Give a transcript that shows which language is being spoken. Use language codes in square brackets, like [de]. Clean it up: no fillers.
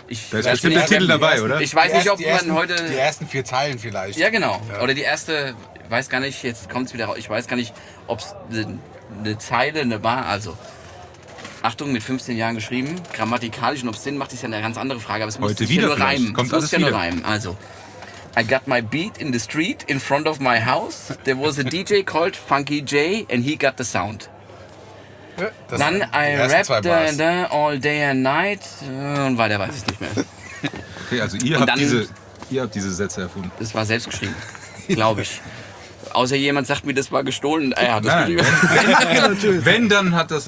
[de] Da ist bestimmt der Titel dabei, oder? Ich weiß nicht, ob man heute. Die ersten vier Zeilen vielleicht. Ja, genau. Ja. Oder die erste, ich weiß gar nicht, jetzt kommt es wieder raus. Ich weiß gar nicht, ob es eine Zeile, eine war. Also. Achtung, mit 15 Jahren geschrieben, grammatikalisch und ob es Sinn macht, ist ja eine ganz andere Frage. Aber es heute muss ja nur reimen. Kommt es muss wieder. Ja nur reimen. [en] Also, I got my beat in the street in front of my house. There was a DJ called Funky J and he got the sound. [de] Ja, dann [en] I rapped all day and night [de] und weiter weiß ich nicht mehr. Okay, also ihr habt diese Sätze erfunden. Das war selbst geschrieben, glaube ich. Außer jemand sagt mir, das war gestohlen. Ja, das nein. Wenn, dann hat das